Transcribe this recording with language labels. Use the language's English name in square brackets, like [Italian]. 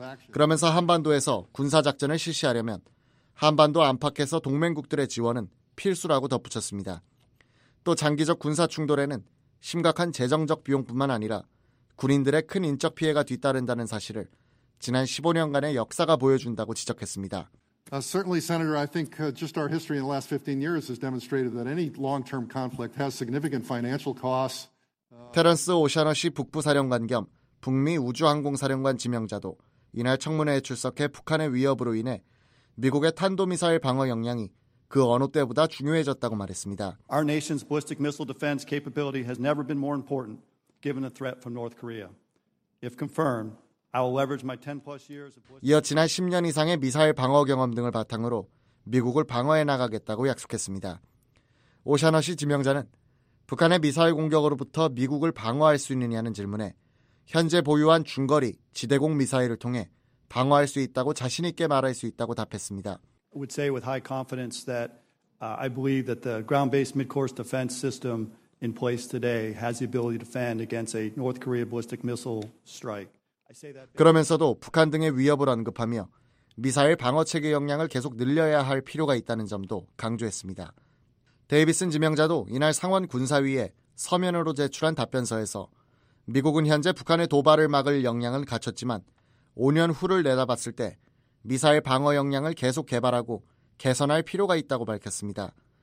[Korean] 그러면서 한반도에서 군사 작전을 실시하려면 한반도 안팎에서 동맹국들의 지원은 필수라고 덧붙였습니다. 또 장기적 군사 충돌에는 심각한 재정적 비용뿐만 아니라 군인들의 큰 인적 피해가 뒤따른다는 사실을 지난 15년간의 역사가 보여준다고 지적했습니다. [English] Certainly, Senator, I think just our history in the last 15 years has demonstrated that any long-term conflict has significant financial costs. [Korean] 테런스 오셔너시 북부 사령관 겸 북미 우주항공사령관 지명자도 이날 청문회에 출석해 북한의 위협으로 인해 미국의 탄도미사일 방어 역량이 그 어느 때보다 중요해졌다고 말했습니다. [English] Our nation's ballistic missile defense capability has never been more important given the threat from North Korea. If confirmed, I will leverage my 10+ years of [Korean] 이어 지난 10년 이상의 미사일 방어 경험 등을 바탕으로 미국을 방어해 나가겠다고 약속했습니다. 오샤너시 지명자는 북한의 미사일 공격으로부터 미국을 방어할 수 있느냐는 질문에 현재 보유한 중거리 지대공 미사일을 통해 방어할 수 있다고 자신 있게 말할 수 있다고 답했습니다. [English] I would say with high confidence that I believe that the ground-based mid-course defense system in place today has the ability to defend against a North Korea ballistic missile strike. [Korean] 그러면서도 북한 등의 위협을 언급하며 미사일 방어 체계 역량을 계속 늘려야 할 필요가 있다는 점도 강조했습니다. 데이비슨 지명자도 이날 상원 군사위에 서면으로 제출한 답변서에서 미국은 현재 북한의 도발을 막을 역량은 갖췄지만 5년 후를 내다봤을 때 미사일 방어 역량을 계속 개발하고 개선할 필요가 있다고 밝혔습니다.